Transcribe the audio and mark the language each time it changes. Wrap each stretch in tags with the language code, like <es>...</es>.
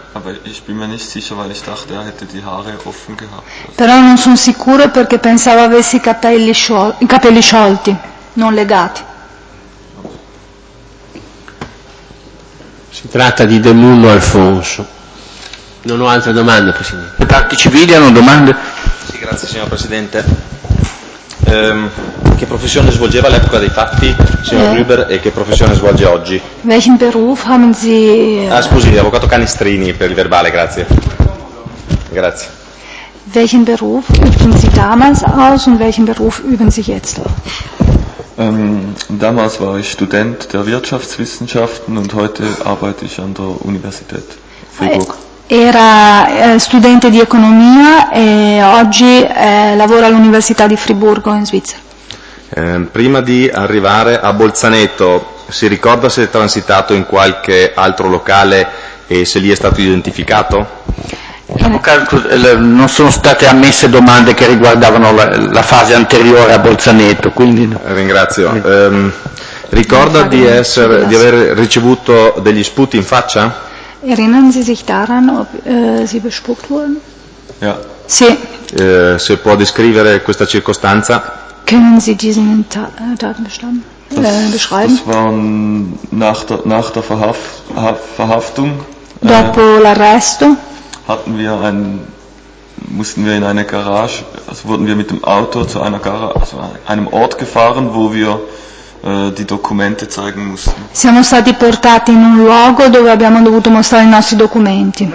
<de>Aber ich bin mir nicht sicher, weil ich dachte, er hätte die Haare offen gehabt.</de> <it>Però non sono sicuro perché pensavo avesse i capelli sciolti, non legati. Si tratta di De Mullo Alfonso. Non ho altre domande, Presidente. Le parti civili hanno domande? Sì, grazie signor Presidente. Che professione svolgeva all'epoca dei fatti, signor Gruber, e che professione svolge oggi?</it> <de>Welchen Beruf haben Sie?</de> <it>Ah, scusi, avvocato Canestrini per il verbale, grazie. Grazie.</it> <de>Welchen Beruf übten Sie damals aus und welchen Beruf üben Sie jetzt? Damals war ich Student der Wirtschaftswissenschaften und heute arbeite ich an der Universität Freiburg.</de> <it>Era studente di economia e oggi lavora all'Università di Friburgo in Svizzera. Prima di arrivare a Bolzaneto, si ricorda se è transitato in qualche altro locale e se lì è stato identificato? Non sono state ammesse domande che riguardavano la fase anteriore a Bolzaneto, quindi no. Ringrazio. Ricorda di aver ricevuto degli sputi in faccia?</it> <de>Erinnern Sie sich daran, ob Sie bespuckt wurden? Ja.</de> <it>Sì. Se può descrivere questa circostanza?</it> <de>Können Sie diesen Tatbestand beschreiben? Das war nach der Verhaftung.</de> <it>Dopo l'arresto?</it> <de>Wurden wir mit dem Auto zu einer einem Ort gefahren, wo wir die Dokumente zeigen mussten.</de> <it>Siamo stati portati in un luogo dove abbiamo dovuto mostrare i nostri documenti.</it>